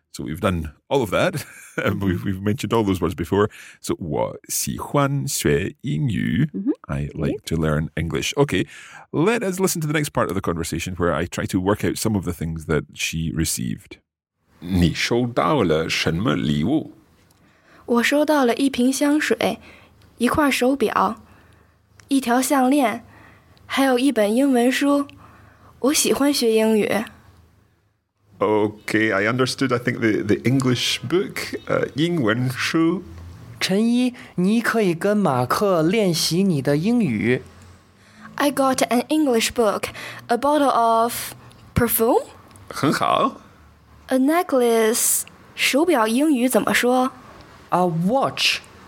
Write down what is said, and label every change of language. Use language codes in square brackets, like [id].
[en] So we've done all of that. we've mentioned all those words before. [zh] So 我喜欢学英语. Mm-hmm. [en] I like to learn English. Okay, let us listen to the next part of the conversation where I try to work out some of the things that she received. [zh] 你收到了什么礼物？我收到了一瓶香水，一块手表，一条项链，还有一本英文书。我喜欢学英语。 [en] Okay, I understood. I think the English book, 英文书。 [zh] 陈一，你可以跟马克练习你的英语。 [en] I got an English book, a bottle of perfume. [zh] 很好。 [en] A necklace, [zh] 手表英语怎么说？ [en] A watch.